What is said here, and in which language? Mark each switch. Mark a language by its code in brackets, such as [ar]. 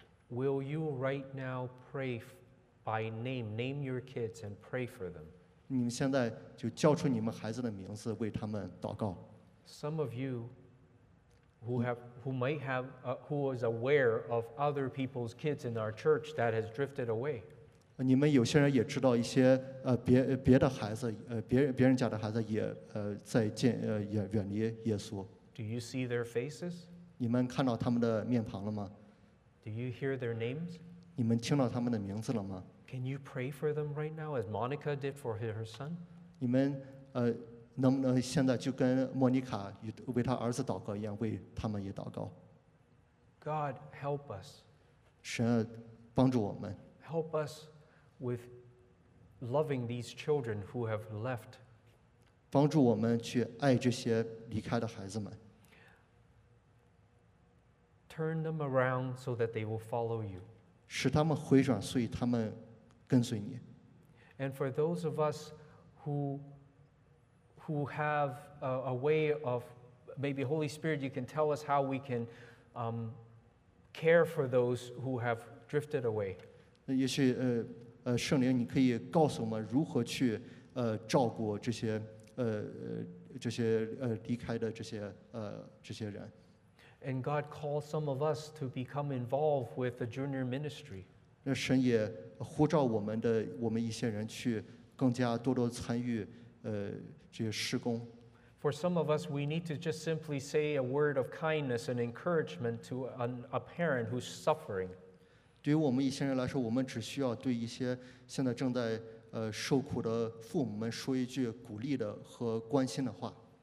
[en] Will you right now pray by name, name your kids and pray for them? [zh] 你们现在就叫出你们孩子的名字，为他们祷告。 [en] Some of you who is aware of other people's kids in our church that has drifted away. [zh] 你们有些人也知道一些别的孩子别人家的孩子也在渐也远离耶稣。 [en] Do you see their faces? [zh] 你们看到他们的面庞了吗 [en] ？Do you hear their names? [zh] 你们听到他们的名字了吗 [en] ？Can you pray for them right now as Monica did for her son? [zh] 你们能不能现在就跟莫妮卡为他儿子祷告一样，为他们也祷告 [en] ？God help us. [zh] 神帮助我们。 [en] Help us with loving these children who have left. [zh] 帮助我们去爱这些离开的孩子们。 [en] Turn them around so that they will follow you. [zh] 使他们回转，所以他们跟随你。 [en] And for those of us who have a way of, maybe Holy Spirit, you can tell us how we can care for those who have drifted away. [zh] 也许圣灵你可以告诉我们如何去照顾这些离开的这些人。 [en] And God calls some of us to become involved with the junior ministry. [zh] 那神也呼召我们一些人去更加多多参与这些事工。 [en] For some of us, we need to just simply say a word of kindness and encouragement to a parent who's suffering. [zh] 对于我们一些人来说，我们只需要对一些现在正在受苦的父母们说一句鼓励的和关心的话。